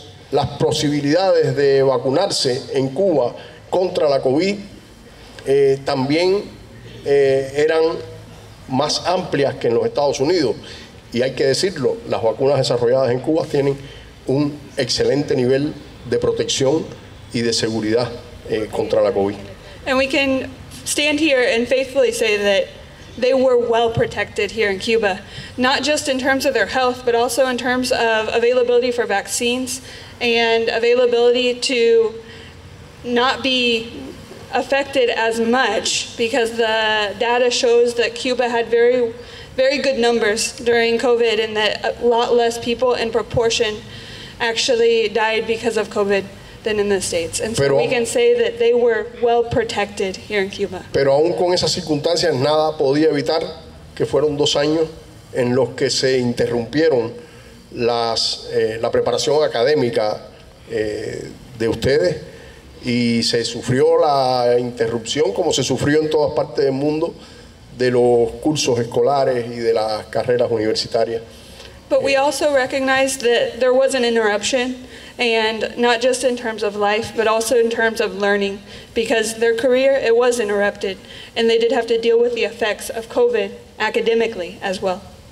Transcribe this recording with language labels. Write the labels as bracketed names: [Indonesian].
[Spanish] Las posibilidades de vacunarse en Cuba contra la COVID también eran más amplias que en los Estados Unidos. Y hay que decirlo, las vacunas desarrolladas en Cuba tienen un excelente nivel de protección y de seguridad contra la COVID. [English] And we can stand here and faithfully say that they were well protected here in Cuba, not just in terms of their health, but also in terms of availability for vaccines and availability to not be affected as much, because the data shows that Cuba had very, very good numbers during COVID and that a lot less people in proportion actually died because of COVID than in the States. And so pero, we can say that they were well protected here in Cuba. [Spanish] Pero aún con esas circunstancias, nada podía evitar que fueron 2 años en los que se interrumpieron la preparación académica de ustedes, y se sufrió la interrupción, como se sufrió en todas partes del mundo, de los cursos escolares y de las carreras universitarias. [English] But we also recognize that there was an interruption, and not just in terms of life, but also in terms of learning, because their career, it was interrupted, and they did have to deal with the effects of COVID academically as well.